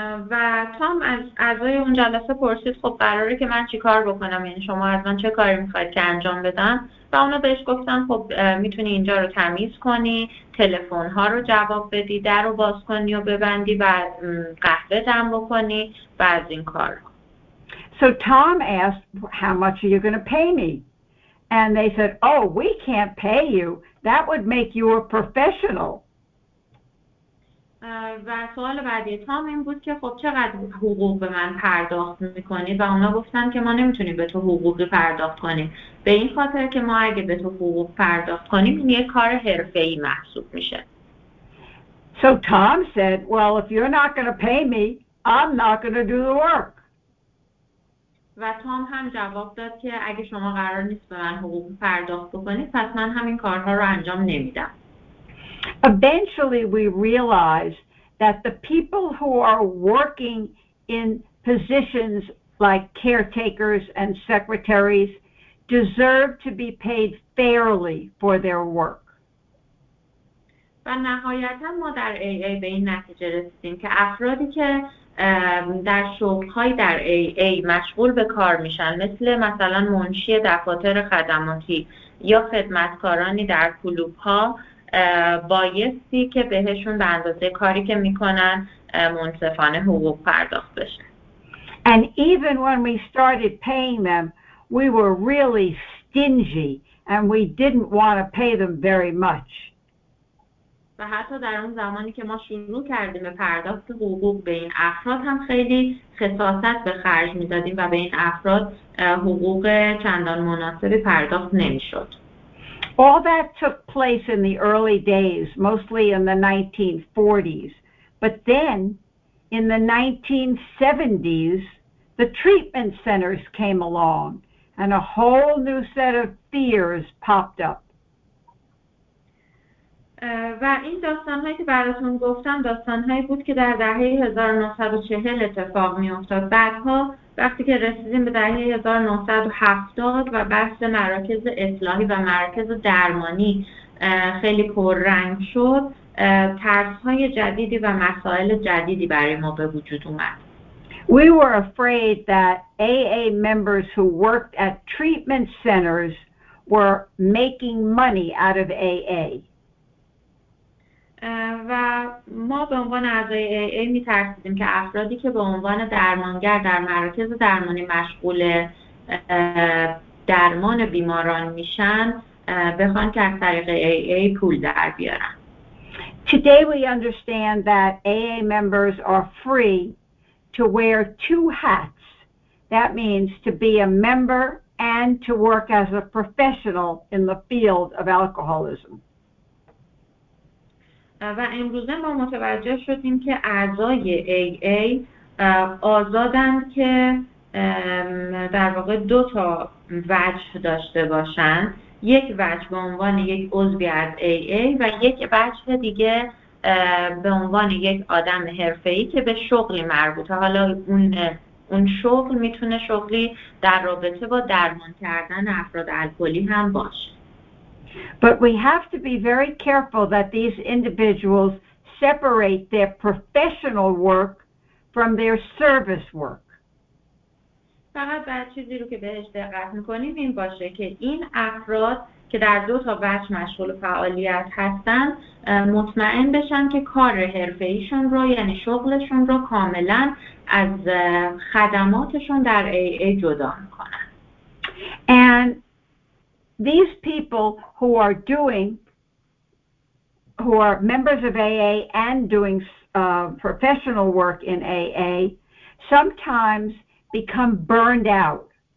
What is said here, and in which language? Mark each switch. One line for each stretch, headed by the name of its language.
Persian: و تام از اعضای اون جلسه پرسید خب قراره که من چیکار بکنم، یعنی شما از من چه کاری میخواید که انجام بدم، و اونا بهش گفتن خب میتونی اینجا رو تمیز کنی، تلفن ها رو جواب بدی، در رو باز کنی و ببندی و قهوه دم بکنی و از این کار.
English: So Tom asked, how much are you going to pay me? And they said, oh, we can't pay you. That would make you a professional.
Persian: و سوال بعدی تام این بود که خب چقدر حقوق به من پرداخت میکنی؟ و اونا گفتن که ما نمیتونیم به تو حقوقی پرداخت کنیم، به این خاطر که ما اگه به تو حقوق پرداخت کنیم این یه کار حرفه‌ای محسوب میشه.
English: So Tom said, well, if you're not going to pay me, I'm not going to do the work.
Persian: و تام هم جواب داد که اگه شما قرار نیست به من حقوق پرداخت بکنید، پس من همین کارها رو انجام نمیدم.
English: Eventually, we realize that the people who are working in positions like caretakers and secretaries deserve to be paid fairly for their work.
Persian: و نهایتاً ما در AA به این نتیجه رسیدیم که افرادی که در شغل‌های در AA مشغول به کار میشن، مثل مثلا منشی دفاتر خدماتی یا خدمتکارانی در کلوب‌ها، بایستی که بهشون به اندازه کاری که میکنن منصفانه حقوق پرداخت بشه.
English: And even when we started paying them, we were really stingy and we didn't want to pay them very much.
Persian: و حتی در اون زمانی که ما شروع کردیم به پرداخت حقوق به این افراد، هم خیلی خصاصت به خرج میدادیم و به این افراد حقوق چندان مناسبی پرداخت نمیشد.
English: All that took place in the early days, mostly in the 1940s. But then, in the 1970s, the treatment centers came along, and a whole new set of fears popped up.
Persian: و این داستان‌هایی که براتون گفتم داستان‌هایی بود که در دهه 1940 اتفاق می‌افتاد. بعدها وقتی که رسیدیم به دهه 1970 و بحث مراکز اصلاحی و مراکز درمانی خیلی پررنگ شد، ترس‌های جدیدی و مسائل جدیدی برای ما به وجود اومد.
English: We were afraid that AA members who worked at treatment centers were making money out of AA.
Persian: و ما به عنوان اعضای AA می ترسیدیم که افرادی که به عنوان درمانگر در مراکز درمانی مشغول درمان بیماران میشن، بخوان که از طریق AA پول در بیارن.
English: Today we understand that AA members are free to wear two hats. That means to be a member and to work as a professional in the field of alcoholism.
Persian: و امروز ما متوجه شدیم که اعضای AA آزادند که در واقع دو تا وجه داشته باشند. یک وجه به عنوان یک عضوی از AA و یک وجه دیگه به عنوان یک آدم حرفه‌ای که به شغلی مربوطه. حالا اون شغل میتونه شغلی در رابطه با درمان کردن افراد الکلی هم باشه.
English: But we have to be very careful that these individuals separate their professional work from their service work.
Persian: فقط باید چیزی رو که بهش دقت می‌کنیم این باشه که این افراد که در دو تا وجه مشغول فعالیت هستن، مطمئن بشن که کار حرفه‌ایشون رو، یعنی شغلشون رو، کاملا از خدماتشون در AA جدا می‌کنن.
English: And these people who are doing, who are members of AA and doing professional work in AA, sometimes become burned out.